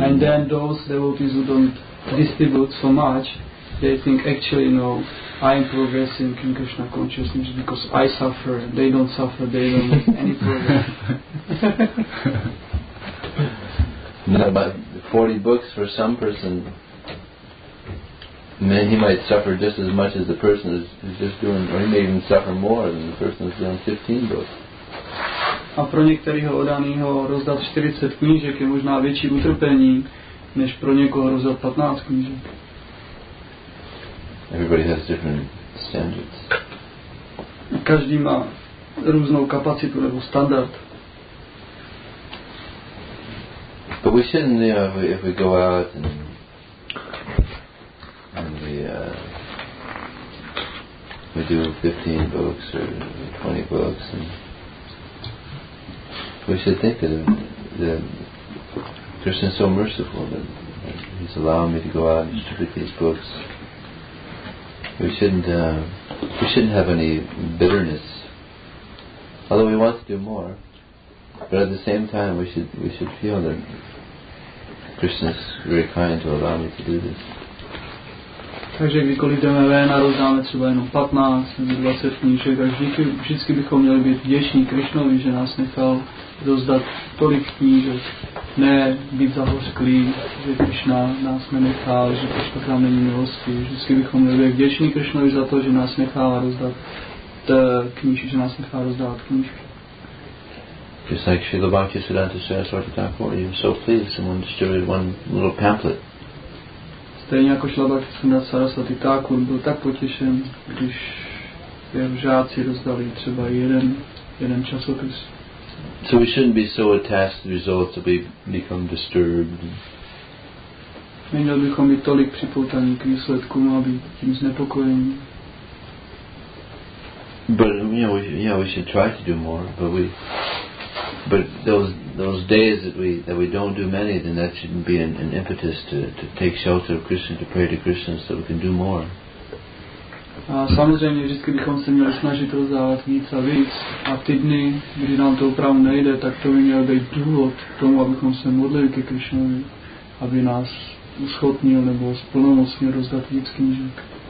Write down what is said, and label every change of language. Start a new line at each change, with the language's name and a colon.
English: And then those devotees who don't distribute so much, they think actually, no, I am progressing in Krishna consciousness because I suffer, they don't suffer, they don't make any progress. No, but 40 books for some person, man, he might suffer just as much as the person is just doing, or he may even suffer more than the person is doing 15 books.
Czech: A pro některého odaného rozdat 40 knížek je možná větší utrpení, než pro někoho rozdat 15 knížek.
English: Everybody has different standards.
Czech: Každý má různou kapacitu nebo standard.
English: But we shouldn't, you know, if we go out and we do 15 books or 20 books, and we should think that Krishna is so merciful that he's allowing me to go out and distribute these books. We shouldn't have any bitterness, although we want to do more, but at the same time we should feel that Krishna is very kind to allow me to do this.
Czech: Takže kdykoliv jdeme ven a rozdáme třeba jenom 15 nebo 20 knížek, tak vždycky bychom měli být vděční Krišnovi, že nás nechal rozdat tolik knížek, ne být zahořklý, že Krišna nás nenechal, že Krišna tam není milosti. Vždycky bychom měli být vděční Krišnovi za to, že nás nechal rozdat knížky, že nás nechal rozdávat knížky.
English: Just like Srila Bhakti Siddhanta Saraswati Thakur, you're so pleased someone distributed one little pamphlet.
Czech: Stejně jako Srila Bhakti Siddhanta Saraswati Thakur byl tak potěšen, když jeho žáci rozdali třeba jeden časopis.
English: So we shouldn't be so attached to results that we become disturbed.
Czech: Neměli bychom být tolik připoutaní k výsledkům, aby tím znepokojení.
English: But we should try to do more, but those days that we don't do many, then that shouldn't be an impetus to take shelter of Krishna, to pray to Krishna so we can do more.
Czech: A samozřejmě vždycky bychom se měli snažit rozdávat víc a víc, a ty dny, kdy nám to opravdu nejde, tak to by mělo být důvod k tomu, abychom se modlili ke Krishnovi, aby nás uschopnil nebo splnomocnil rozdat víc knížek.